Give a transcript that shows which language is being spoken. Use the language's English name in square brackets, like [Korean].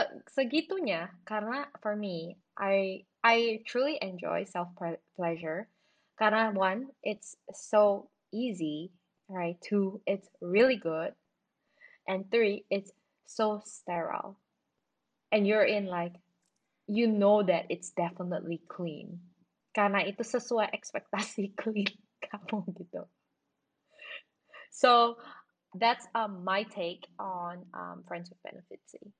[Indonesian] Segitunya, karena [English] for me, I truly enjoy self-pleasure. Karena one, it's so easy, right? Two, it's really good. And three, it's so sterile. And you're in like, you know that it's definitely clean. [Indonesian] Karena itu sesuai ekspektasi clean kamu gitu. [English] So that's my take on friends with benefits.